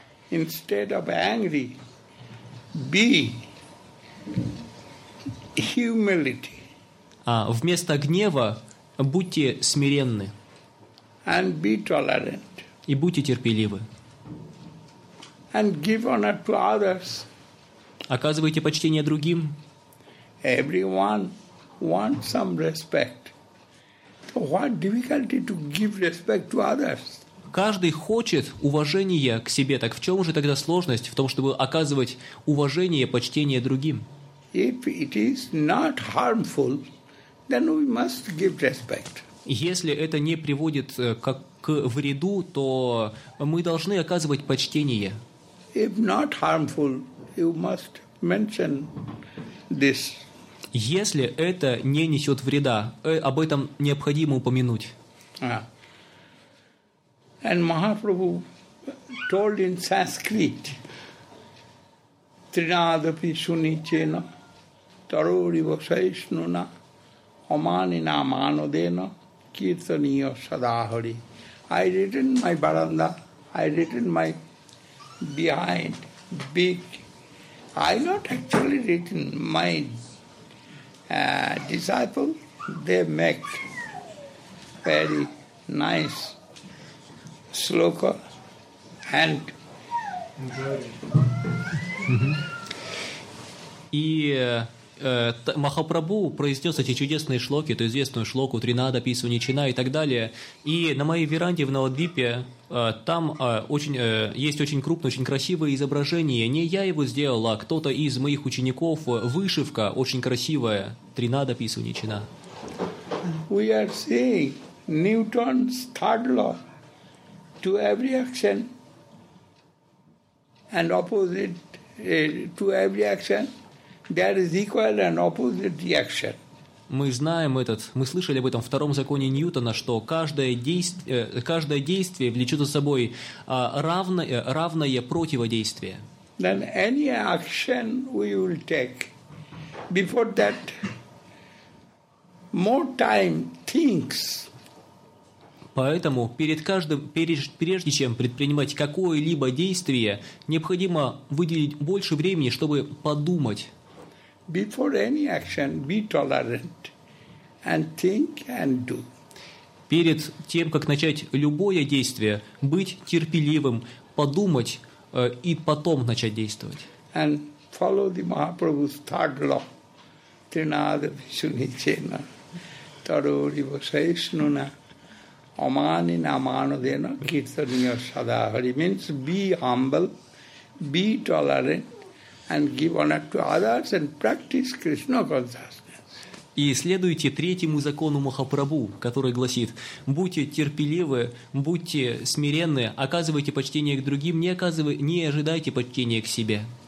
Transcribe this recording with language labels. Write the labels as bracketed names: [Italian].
[English] Instead of angry, be humility. [Russian] А вместо гнева будьте смиренны. [English] And be tolerant. [Russian] И будьте терпеливы. [English] And give honor to others. [Russian] Оказывайте почтение другим. [English] Everyone wants some respect. So what difficulty to give respect to others? [Russian] Каждый хочет уважения к себе. Так в чем же тогда сложность в том, чтобы оказывать уважение, почтение другим? [English] If it is not harmful, then we must give respect. [Russian] Если это не приводит к вреду, то мы должны оказывать почтение. [English] If not harmful, you must mention this. [Russian] Если это не несет вреда, об этом необходимо упомянуть. [English] Ah. And Mahaprabhu told in Sanskrit, [Sanskrit] Trinadapi Sunichena, Tarodiva Saishnuna, Omanina Manodena, Kirtaniya Sadahari. [English] I written my baranda, I written my behind, big. I not actually written my disciple. They make very nice sloka and [Russian] И Махапрабху произнес эти чудесные шлоки, эту известную шлоку [Sanskrit] Тринада, Писва, Ничина [Russian] и так далее. И на моей веранде в Навадвипе там очень, есть очень крупное, очень красивое изображение. Не я его сделал, а кто-то из моих учеников. Вышивка очень красивая. [Sanskrit] Тринада, Писва, Ничина. [English] We are seeing Newton's third law. To every action, and opposite to every action, there is equal and opposite reaction. [Russian] Мы знаем этот, мы слышали об этом втором законе Ньютона, что каждое действие влечет за собой равное противодействие. [English] Then any action we will take, before that, more time thinks. [Russian] Поэтому перед каждым, прежде чем предпринимать какое-либо действие, необходимо выделить больше времени, чтобы подумать. [English] Before any action, be tolerant and think and do. [Russian] Перед тем, как начать любое действие, быть терпеливым, подумать и потом начать действовать. [English] And follow the Mahaprabhu's third law. [Sanskrit] Trinada Vishunichena Taro Rivasaishnuna Amanina Amanodena Kirtaniya Sadahari. [English] Means be humble, be tolerant, and give honor to others and practice Krishna consciousness. [Russian] И следуйте третьему закону Махапрабху, который гласит: будьте терпеливы, будьте смиренны, оказывайте почтение к другим, не ожидайте почтения к себе.